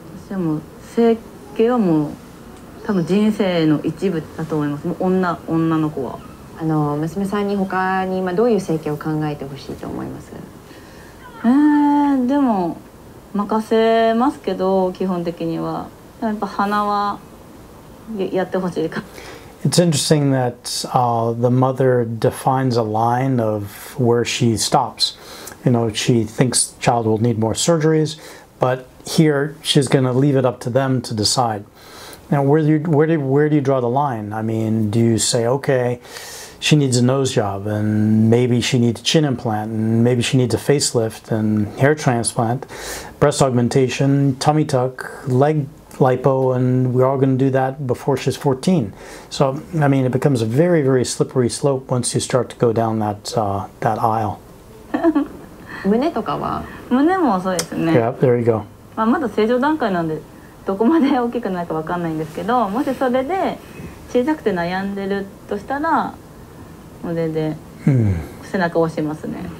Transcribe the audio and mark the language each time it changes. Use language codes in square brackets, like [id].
[ja] でも整形はもう多分人生の一部だと思います。もう 女の子は娘さんに他に今どういう整形を考えてほしいと思います？でも任せますけど、基本的にはやっぱ鼻は やってほしいか。 [en] It's interesting that、the mother defines a line of where she stops. You know, she thinks child will need more surgeries, butHere, she's going to leave it up to them to decide. Now, where do you draw the line? I mean, do you say, okay, she needs a nose job, and maybe she needs a chin implant, and maybe she needs a facelift, and hair transplant, breast augmentation, tummy tuck, leg lipo, and we're all going to do that before she's 14. So, I mean, it becomes a very, very slippery slope once you start to go down that, that aisle. [ja] 胸とかは？胸もそうですね。 [en] Yeah, there you go. [ja] まあ、まだ正常段階なんでどこまで大きくなるか分かんないんですけど、もしそれで小さくて悩んでるとしたら、もう全然背中を押しますね。